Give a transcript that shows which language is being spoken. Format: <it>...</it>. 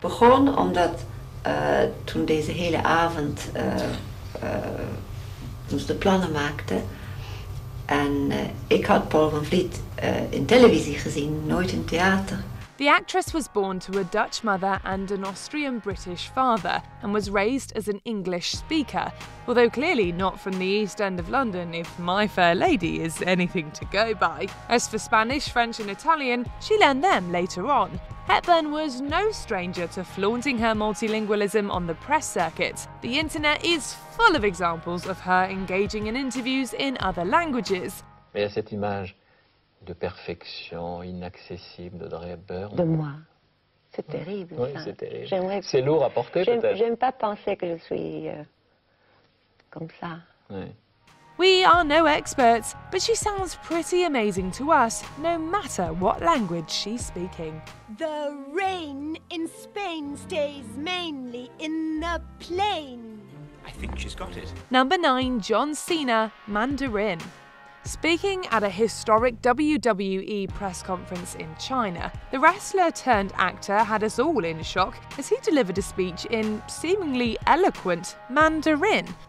<nl>Begon omdat toen deze hele avond toen ze de plannen maakte en ik had Paul van Vliet in televisie gezien, nooit in theater.</nl> <en>The actress was born to a Dutch mother and an Austrian-British father, and was raised as an English speaker, although clearly not from the East End of London, if My Fair Lady is anything to go by. As for Spanish, French and Italian, she learned them later on. Hepburn was no stranger to flaunting her multilingualism on the press circuit. The internet is full of examples of her engaging in interviews in other languages.</en> <fr>Mais à cette image de perfection inaccessible de Drebber. De moi. C'est terrible. Oui, ça. C'est terrible. C'est lourd à porter, peut-être. J'aime pas penser que je suis comme ça. Oui.</fr> <en>We are no experts, but she sounds pretty amazing to us, no matter what language she's speaking. The rain in Spain stays mainly in the plain. I think she's got it. Number 9, John Cena, Mandarin. Speaking at a historic WWE press conference in China, the wrestler-turned-actor had us all in shock as he delivered a speech in seemingly eloquent Mandarin.</en>